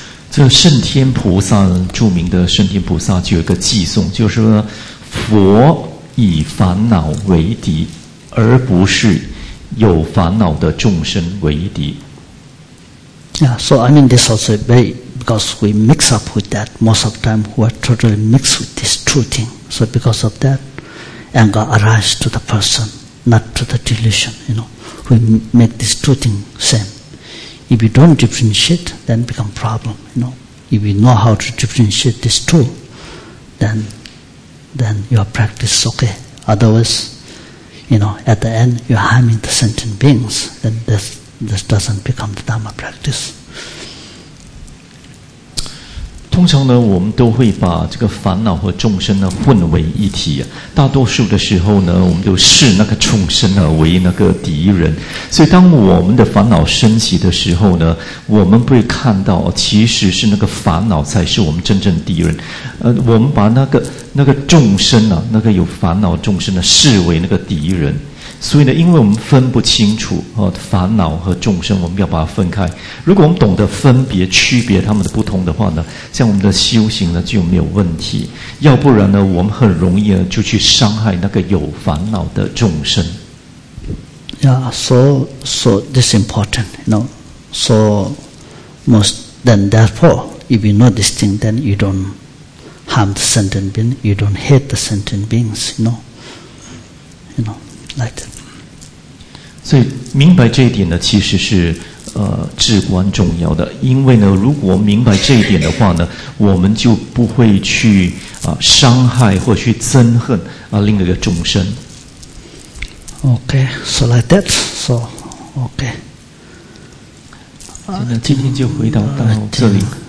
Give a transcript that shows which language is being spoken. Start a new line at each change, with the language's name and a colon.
Chinese: 这圣天菩萨，著名的圣天菩萨就有一个偈颂，就是说佛以烦恼为敌，而不是有烦恼的众生为敌。
English: Yeah, so I mean this also very, because we mix up with that, most of the time we are totally mixed with this true thing. So because of that, anger arises to the person, not to the delusion, you know. We make these two things same. If you don't differentiate, then become problem, you know. If you know how to differentiate these two, then your practice is okay. Otherwise, you know, at the end, you're harming the sentient beings, then this doesn't become the Dharma practice.
Chinese: 通常呢，我们都会把这个烦恼和众生呢混为一体、啊、大多数的时候呢，我们都视那个众生呢为那个敌人。所以当我们的烦恼升起的时候呢，我们不会看到其实是那个烦恼才是我们真正敌人。我们把那个众生啊，那个有烦恼众生呢视为那个敌人。所以呢，因为我们分不清楚烦恼和众生，我们要把它分开。如果我们懂得分别区别他们的不同的话呢，像我们的修行呢就没有问题。要不然呢，我们很容易呢就去伤害那个有烦恼的众生。
English: Yeah, so this important, you know. So most then therefore, if you know this thing, then you don't harm the sentient being, you don't hate the sentient beings, you know. Like that.
Chinese: 所以明白这一点呢，其实是至关重要的。因为呢，如果明白这一点的话呢，我们就不会去伤害或去憎恨另一个众生。
English: Okay, so like that. So, okay.
Chinese: 真的今天就回答到这里。